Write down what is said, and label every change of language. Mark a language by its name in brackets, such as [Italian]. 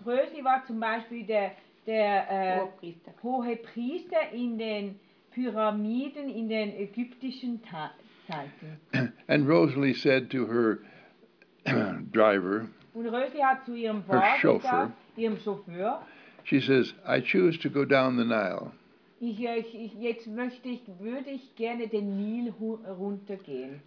[German] Rosi war zum Beispiel der hohe Priester in den Pyramiden in den ägyptischen Zeiten. [English] And Rosalie said to her driver. [German] Und Rosi hat zu ihrem Wagen gesagt, ihrem Chauffeur. [English] She says, "I choose to go down the Nile." [German] Würde ich gerne den Nil runtergehen.